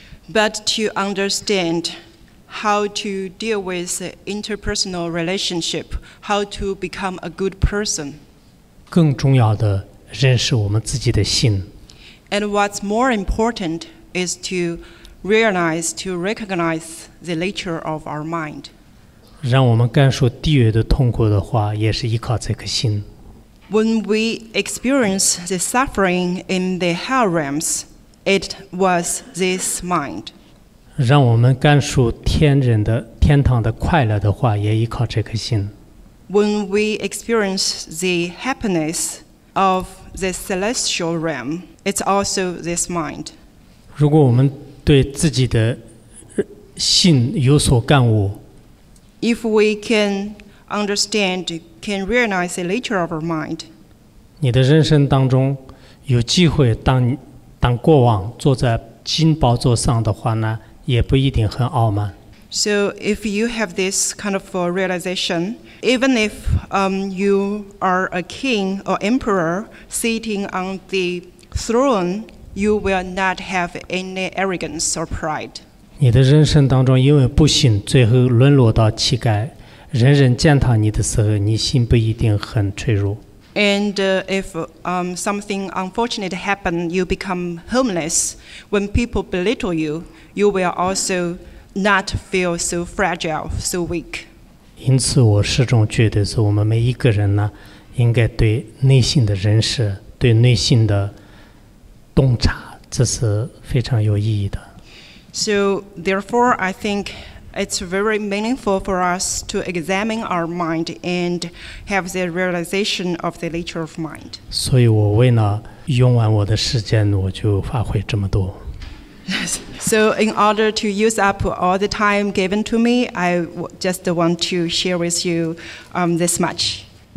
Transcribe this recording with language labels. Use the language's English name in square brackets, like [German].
[English] But to understand how to deal with interpersonal relationship, how to become a good person. [Chinese] 更重要的认识我们自己的心。 [English] And what's more important is to recognize the nature of our mind. [Chinese] 让我们感受地狱的痛苦的话，也是依靠这颗心。 [English] When we experience the suffering in the hell realms,It was this mind. [Chinese] 让我们感受天人的天堂的快乐的话，也依靠这颗心。 [English] When we experience the happiness of the celestial realm, it's also this mind. [Chinese] 如果我们对自己的心有所感悟 [English] ，If we can understand, can realize the nature of our mind, [Chinese] 你的人生当中有机会当过往坐在金宝座上的话呢，也不一定很傲慢。 [English] So if you have this kind of realization, even if you are a king or emperor sitting on the throne, you will not have any arrogance or pride. [Chinese] 你的人生当中因为不幸，最后沦落到乞丐，人人践踏你的时候，你心不一定很脆弱。 [English] And if something unfortunate happens, you become homeless. When people belittle you, you will also not feel so fragile, so weak. [Chinese] 因此，我始终觉得是我们每一个人呢，应该对内心的认识、对内心的洞察，这是非常有意义的。 [English] So therefore, I think. It's very meaningful for us to examine our mind and have the realization of the nature of mind. [Chinese] 所以我为了用完我的时间，我就发挥这么多。 [English] So in order to use up all the time given to me, I just want to share with you this much.